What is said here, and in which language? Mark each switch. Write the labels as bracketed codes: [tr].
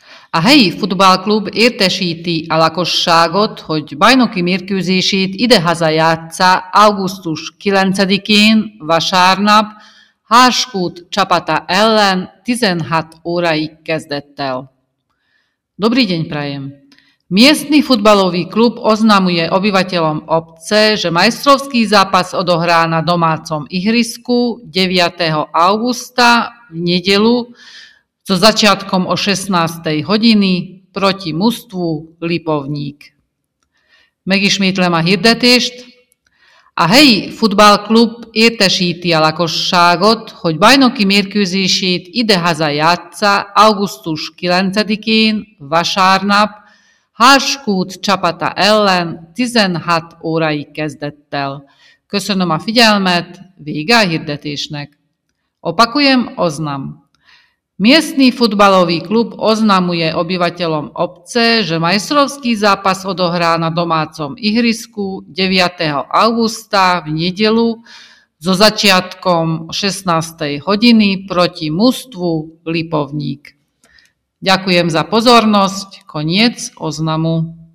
[hu] A helyi futballklub értesíti a lakosságot, hogy bajnoki mérkőzését idehaza játssza augusztus 9-én vasárnap Harskút csapata ellen 16 óráig kezdettel. [sk] Dobrý deň prajem! Miestny futbalový klub oznamuje obyvateľom obce, že majstrovský zápas odohrá na domácom ihrisku 9. augusta v nedeľu so začiatkom o 16. hodiny proti mužstvu Lipovník. [hu] Megismétlem a hirdetést. A helyi futballklub értesíti a lakosságot, hogy bajnoki mérkőzését idehaza játssza augusztus 9-én vasárnap Harskút csapata ellen 16 óráig kezdettel. Köszönöm a figyelmet, vége a hirdetésnek. [sk] Opakujem, oznam. Miestny futbalový klub oznamuje obyvateľom obce, že majstrovský zápas odohrá na domácom ihrisku 9. augusta v nedeľu so začiatkom 16. hodiny proti mužstvu Lipovník. Ďakujem za pozornosť. Koniec oznamu.